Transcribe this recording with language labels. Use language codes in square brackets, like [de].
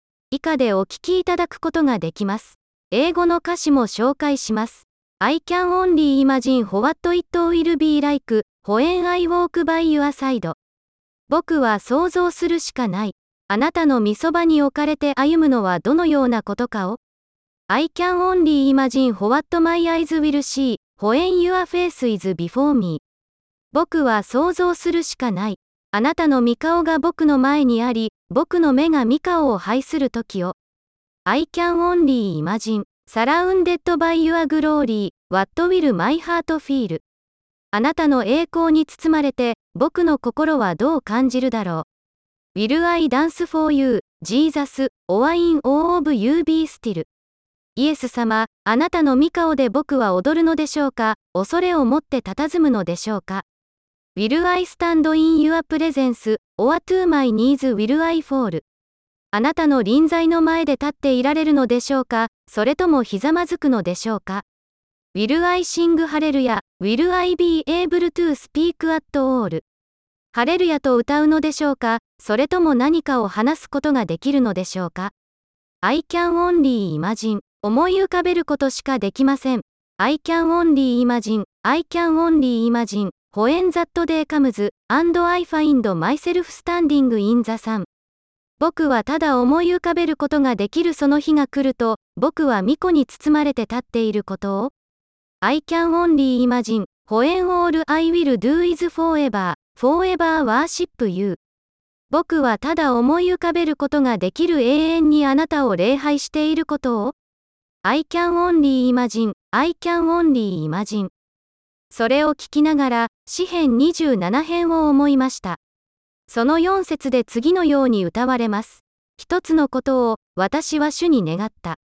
[ja] 以下でお聴きいただくことができます。英語の歌詞も紹介します。 [en] I Can Only Imagine For What It Will Be Like When I Walk By Your Side。 [ja] 僕は想像するしかない。あなたの御そばに置かれて歩むのはどのようなことかを。 [en] I can only imagine for what my eyes will see, when your face is before me. [ja] 僕は想像するしかない。あなたの御顔が僕の前にあり、僕の目が御顔を拝する時を。 [en] I can only imagine, surrounded by your glory, what will my heart feel? [ja] あなたの栄光に包まれて、僕の心はどう感じるだろう。 [en] Will I dance for you, Jesus, or in all of you be still? [ja] イエス様、あなたの御顔で僕は踊るのでしょうか、恐れを持って佇むのでしょうか。 [en] Will I stand in your presence, or to my knees will I fall? [ja] あなたの臨在の前で立っていられるのでしょうか、それともひざまずくのでしょうか。 [en] Will I sing hallelujah, will I be able to speak at all? [ja] ハレルヤと歌うのでしょうか、それとも何かを話すことができるのでしょうか。 [en] I can only imagine. [ja] 思い浮かべることしかできません。 [en] I can only imagine, I can only imagine, when that day comes, and I find myself standing in the sun. [ja] 僕はただ思い浮かべることができるその日が来ると、僕は御子に包まれて立っていることを。 [en] I can only imagine, when all I will do is forever, forever worship you. [ja] 僕はただ思い浮かべることができる永遠にあなたを礼拝していることを。 [en] I can only imagine, I can only imagine. [ja] それを聞きながら、詩編27編を思いました。その4節で次のように歌われます。一つのことを、私は主に願った。